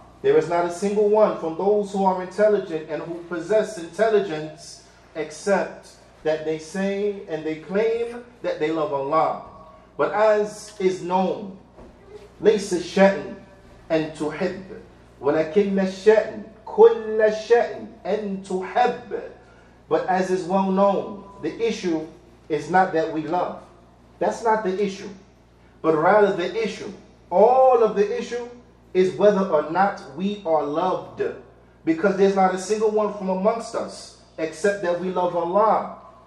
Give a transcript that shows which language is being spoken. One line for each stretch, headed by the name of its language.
English: There is not a single one from those who are intelligent and who possess intelligence, except that they say and they claim that they love Allah. But as is known,
Arabic: ليس الشأن أن تحب ولكن الشأن كل الشأن أن تحب.
English: But as is well known, the issue is not that we love. That's not the issue. But rather the issue, all of the issue, is whether or not we are loved. Because there's not a single one from amongst us except that we love Allah.